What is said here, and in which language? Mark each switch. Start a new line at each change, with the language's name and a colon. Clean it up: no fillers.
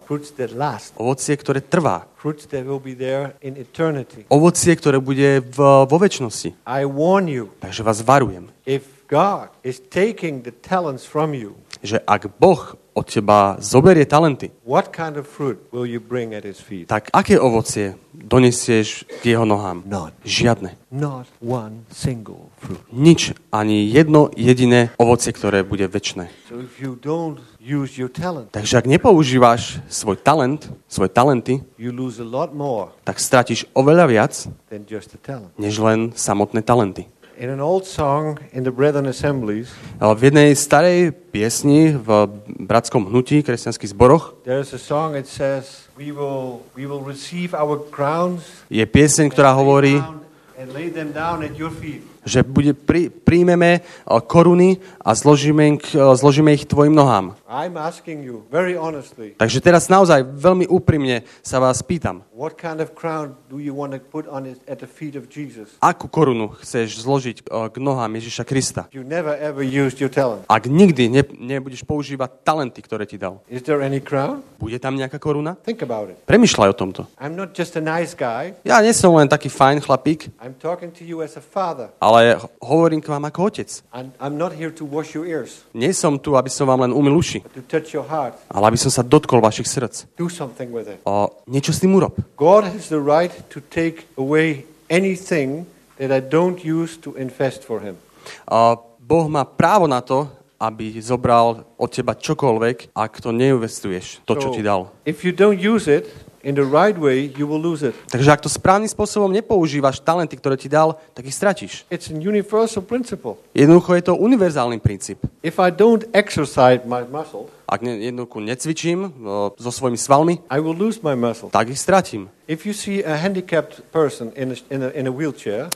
English: Fruits that last.
Slovak: Ovocie, ktoré trvá.
English: Fruits that will be there in eternity.
Slovak: Ovocie, ktoré bude vo večnosti.
English: I warn you.
Slovak: Takže vás varujem.
English: If God is taking the talents from you,
Slovak: že ak Boh od teba zoberie talenty,
English: what kind of fruit will you bring at his feet?
Slovak: Tak aké ovocie donesieš k jeho nohám?
English: Not.
Slovak: Žiadne.
English: Not one single fruit.
Slovak: Nič, ani jedno jediné ovocie, ktoré bude večné.
English: So if you don't use your talent,
Slovak: takže ak nepoužíváš svoj talent, svoje talenty,
English: you lose a lot more,
Slovak: tak stratíš oveľa viac
English: than just the talent,
Slovak: než len samotné talenty.
English: In an old song in the Brethren Assemblies,
Slovak: v jednej starej piesni v bratskom hnutí kresťanských zboroch,
English: there is a song that says we will receive our crowns,
Slovak: je pieseň, ktorá hovorí,
English: and lay them down at your feet,
Slovak: že bude príjmeme koruny a zložíme ich tvojim nohám.
English: I'm asking you very honestly,
Slovak: takže teraz naozaj veľmi úprimne sa vás pýtam.
English: What kind of crown do you want to put on it at the feet of Jesus?
Slovak: Akú korunu chceš zložiť k nohám Ježiša Krista?
English: You never ever used your talent.
Slovak: Ak nikdy nebudeš používať talenty, ktoré ti dal.
English: Is there any crown?
Slovak: Bude tam nejaká koruna?
English: Think about it.
Slovak: Premýšľaj o tomto.
English: I'm not just a nice guy.
Slovak: Ja nie som len taký fajn chlapík.
English: I'm talking to you as a father.
Slovak: Ale hovorím k vám ako otec.
English: I'm not here to wash your ears.
Slovak: Nie som tu, aby som vám len umyl uši.
English: To touch your heart.
Slovak: Ale aby som sa dotkol vašich srdc.
English: Do something with it.
Slovak: A niečo s tým urob.
English: God has the right to take away anything that I don't use to invest for him.
Slovak: A Boh má právo na to, aby zobral od teba čokoľvek, ak to neinvestuješ, to, čo ti dal.
English: If you don't use it in the right way, you will lose it.
Slovak: Takže ak to správnym spôsobom nepoužívaš talenty, ktoré ti dal, tak ich stratíš.
English: It's a universal principle.
Slovak: Jednoducho je to univerzálny princíp.
English: If I don't exercise my muscle,
Slovak: ak jednoducho necvičím so svojimi svalmi,
English: I will lose my muscle.
Slovak: Tak ich stratím.
English: If you see a handicapped person in a wheelchair,